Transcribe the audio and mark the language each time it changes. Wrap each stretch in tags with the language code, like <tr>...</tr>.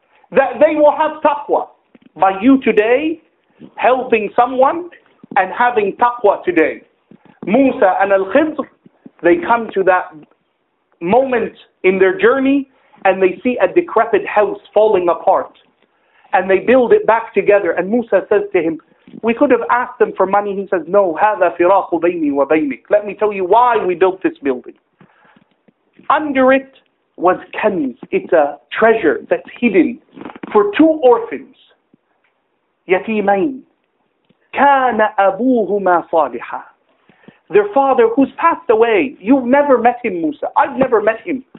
<en>That they will have taqwa. By you today, helping someone and having taqwa today. Musa and Al-Khidr, they come to that moment in their journey and they see a decrepit house falling apart. And they build it back together. And Musa says to him, we could have asked them for money. He says, no,</en> <ar>هذا فراق بيني وبينك.</ar> <en>Let me tell you why we built this building. Under it was kanz. It's a treasure that's hidden for two orphans.</en> <ar>Yatimain. كان أبوهما صالحا.</ar> <en>Their father, who's passed away, you've never met him, Musa. I've never met him.</en>